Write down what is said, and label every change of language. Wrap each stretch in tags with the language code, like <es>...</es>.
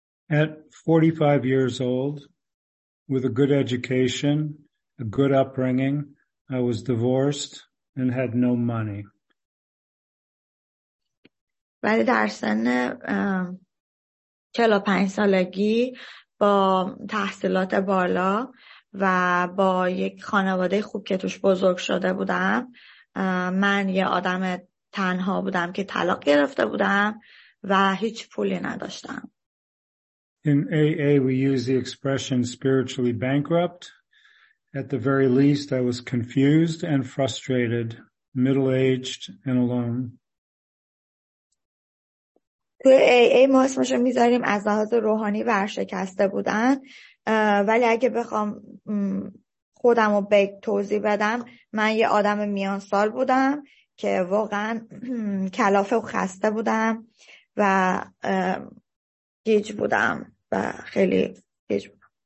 <en>At 45 years old, with a good education, a good upbringing, I was divorced and had no money.</en> <fa>ولی در سن 45 سالگی با تحصیلات بالا و با یک خانواده خوب که توش بزرگ شده بودم، من یه آدم تنها بودم که طلاق گرفته بودم و هیچ پولی نداشتم.</fa> <en>In AA we use the expression spiritually bankrupt. At the very least I was confused and frustrated, middle-aged and alone.</en> <fa>تو AA ما اسمشو میذاریم از لحاظ روحانی ورشکسته بودن، ولی اگه بخوام خودم رو به توضیح بدم، من یه آدم میان سال بودم که واقعا کلافه و خسته بودم و گیج بودم و خیلی گیج بودم.</fa>